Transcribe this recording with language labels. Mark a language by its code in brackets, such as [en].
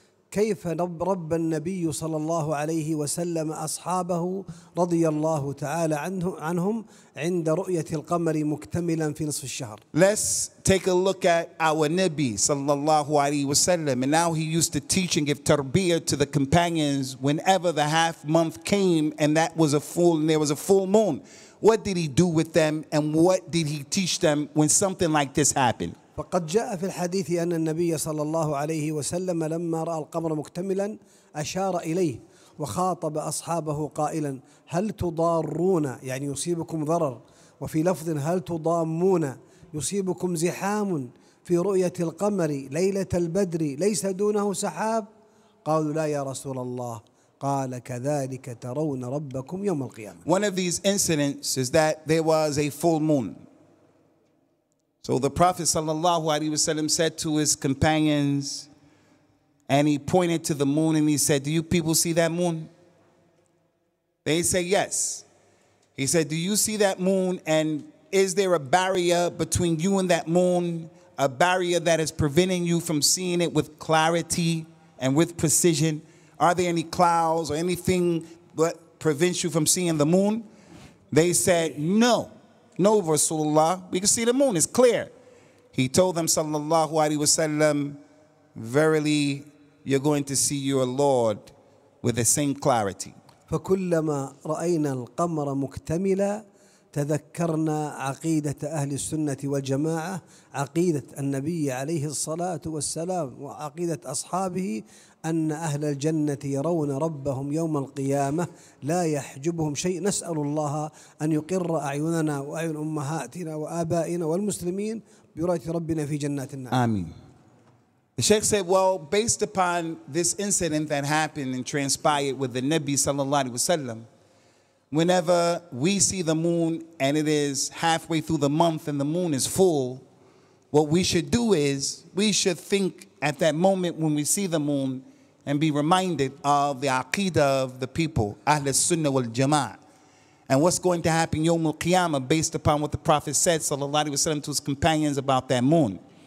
[ar] كيف رب النبي صلى الله عليه وسلم أصحابه رضي الله تعالى عنهم عند رؤية القمر مكتملا في نصف الشهر. [en] Let's take a look at our Nabi [ar] صلى الله عليه وسلم [en] and how he used to teach and give tarbiyah to the companions whenever the half month came and that was a full and there was a full moon. What did he do with them and what did he teach them when something like this happened? [ar] فقد جاء في الحديث أن النبي صلى الله عليه وسلم لما رأى القمر مكتملا أشار إليه وخاطب أصحابه قائلا هل تضارون يعني يصيبكم ضرر وفي لفظ هل تضامون يصيبكم زحام في رؤية القمر ليلة البدر ليس دونه سحاب قالوا لا يا رسول الله قال كذلك ترون ربكم يوم القيامة. [en] One of these incidents is that there was a full moon. So the Prophet [ar] sallallahu alaihi wasallam [en] said to his companions, and he pointed to the moon and he said, do you people see that moon? They said, yes. He said, do you see that moon? And is there a barrier between you and that moon, a barrier that is preventing you from seeing it with clarity and with precision? Are there any clouds or anything that prevents you from seeing the moon? They said, no. No, Rasulullah, we can see the moon, it's clear. He told them, [ar] sallallahu alayhi wa sallam, [en] verily, you're going to see your Lord with the same clarity. [ar] فَكُلَّمَا رَأَيْنَا الْقَمْرَ مُكْتَمِلًا تَذَكَّرْنَا عَقِيدَةَ أَهْلِ السُنَّةِ وَالْجَمَاعَةِ عَقِيدَةَ النَّبِيَّ عَلَيْهِ الصَّلَاةُ وَالسَّلَامُ وَعَقِيدَةَ أَصْحَابِهِ أن أهل الجنة يرون ربهم يوم القيامة لا يحجبهم شيء نسأل الله أن يقر أعيننا وأعين أمهاتنا وآبائنا والمسلمين برؤية ربنا في جنات النعيم. آمين. [en] The Shaykh said, well, based upon this incident that happened and transpired with the Nabi [ar] صلى الله عليه وسلم, [en] whenever we see the moon and it is halfway through the month and the moon is full, what we should do is we should think at that moment when we see the moon and be reminded of the aqidah of the people, Ahl al-Sunnah wal-Jama'ah, and what's going to happen Yawm al-Qiyamah based upon what the Prophet said, [ar] sallallahu alayhi wa sallam, [en] to his companions about that moon.